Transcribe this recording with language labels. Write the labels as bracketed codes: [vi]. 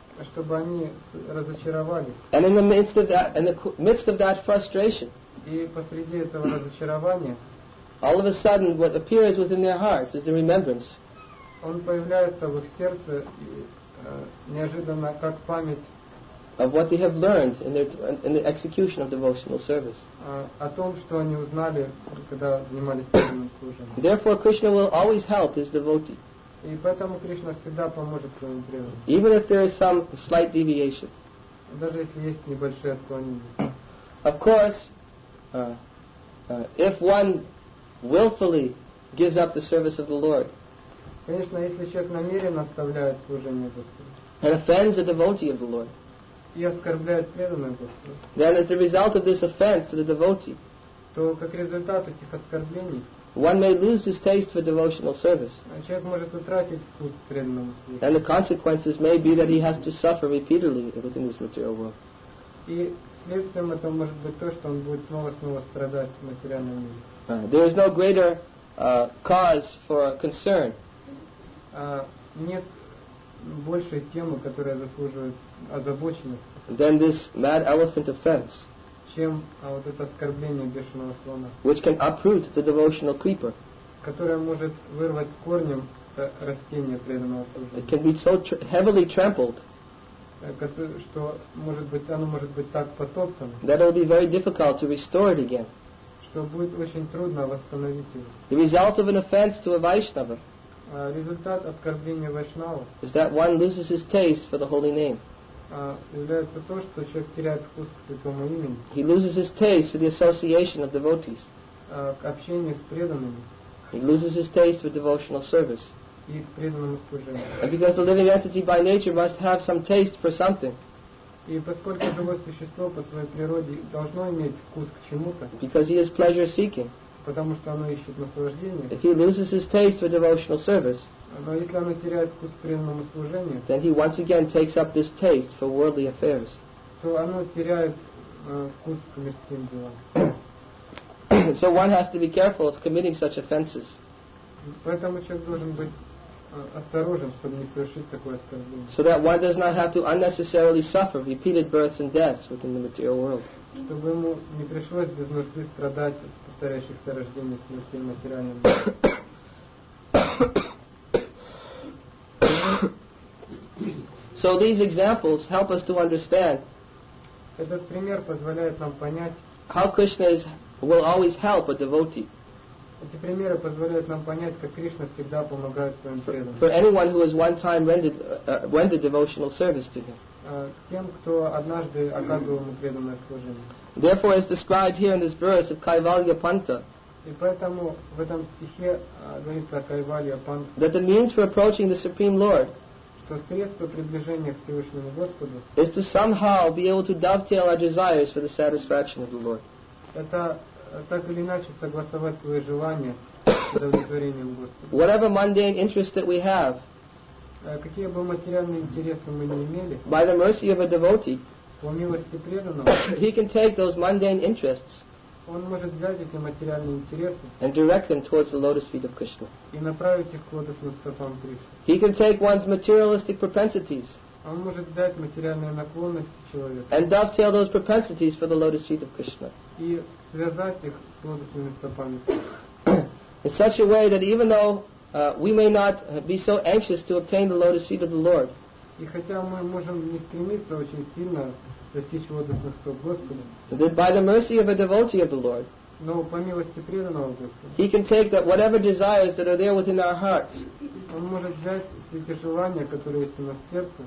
[ru] чтобы они разочаровались. [en] And in the midst of that, frustration, [ru] и посреди этого разочарования, [en] all of a sudden, what appears within their hearts is the remembrance. [ru] Он появляется в их сердце неожиданно как память [en] of what they have learned in the execution of devotional service. [ru] О том, что они узнали, когда занимались преданным служением. [en] Therefore, Krishna will always help his devotee. [ru] И поэтому Кришна всегда поможет своим преданным. [en] Even if there is some slight deviation. [ru] Даже если есть небольшие отклонения. [en] Of course, if one willfully gives up the service of the Lord. [ru] Конечно, если человек намеренно оставляет служение Господу. [en] And offends the devotee of the Lord. [ru] И оскорбляет преданное Господу. [en] Then as the result of this offense to the devotee. [ru] То как результат этих оскорблений. [en] One may lose his taste for devotional service. [ru] Человек может утратить вкус преданному служению. [en] And the consequences may be that he has to suffer repeatedly within this material world. [ru] И следствием это может быть то, что он будет снова и снова страдать в материальном мире. [en] There is no greater cause for concern. [ru] Нет большей темы, которая заслуживает озабоченности. [en] Than this mad elephant offense. [ru] Чем вот это оскорбление бешеного слона, [en] which can uproot the devotional creeper, [ru] которое может вырвать корнем растение преданного служения, [en] it can be so heavily trampled, [ru] что может быть оно может быть так потоптано. [en] That it will be very difficult to restore it again. [ru] Что будет очень трудно восстановить его. [en] The result of an offense to a Vaishnava. [ru] Результат оскорбления Вайшнава. [en] Is that one loses his taste for the holy name. [ru] Является то, что человек теряет вкус к святому имени. [en] He loses his taste for the association of devotees. [ru] К общению с преданными. [en] He loses his taste for devotional service. [ru] И преданному служению. [en] And because the living entity by nature must have some taste for something. [ru] И поскольку живое существо по своей природе должно иметь вкус к чему-то. [en] Because he is pleasure seeking. [ru] Потому что оно ищет наслаждение. [en] If he loses his taste for devotional service. [ru] Но если оно теряет вкус к преданному служению. [en] Then he once again takes up this taste for worldly affairs. [ru] То оно теряет вкус к мирским делам. [en] So one has to be careful of committing such offenses. [ru] Поэтому человек должен быть осторожен, чтобы не совершить такое оскорбление. [en] So that one does not have to unnecessarily suffer repeated births and deaths within the material world. [ru] Чтобы ему не пришлось без нужды страдать от повторяющихся рождений с мирским материальным. [en] So these examples help us to understand. [ru] Этот пример позволяет нам понять. [en] How Krishna is. Will always help a devotee. [ru] Эти примеры позволяют нам понять, как Кришна всегда помогает своим преданным. [en] For anyone who has one time rendered devotional service to him. [ru] Тем, кто однажды оказывал ему преданное служение. [en] Therefore, as described here in this verse of Kaivalya Panta. [ru] И поэтому в этом стихе говорится о Кайвалья Панта. [en] That the means for approaching the Supreme Lord. [ru] Что средство приближения к Всевышнему Господу. [en] Is to somehow be able to dovetail our desires for the satisfaction of the Lord. [ru] Это так или иначе согласовать свои желания с удовлетворением Господа. [en] Whatever mundane interest that we have, [ru] какие бы материальные интересы мы ни имели, [en] by the mercy of a devotee, [ru] по милости преданного, [en] he can take those mundane interests, [ru] он может взять эти материальные интересы, [en] and direct them towards the lotus feet of Krishna, [ru] и направить их к лотосным стопам Кришны. [en] He can take one's materialistic propensities, [ru] он может взять материальные наклонности человека, [en] and dovetail those propensities for the lotus feet of Krishna. [ru] И связать их с лотосными стопами. [en] In such a way that even though we may not be so anxious to obtain the lotus feet of the Lord. [ru] И хотя мы можем не стремиться очень сильно достичь лотосных стоп Господа. [en] That by the mercy of a devotee of the Lord. [ru] Но по милости преданного Господа. [en] He can take that whatever desires that are there within our hearts. [ru] Он может взять все эти желания, которые есть у нас в сердце.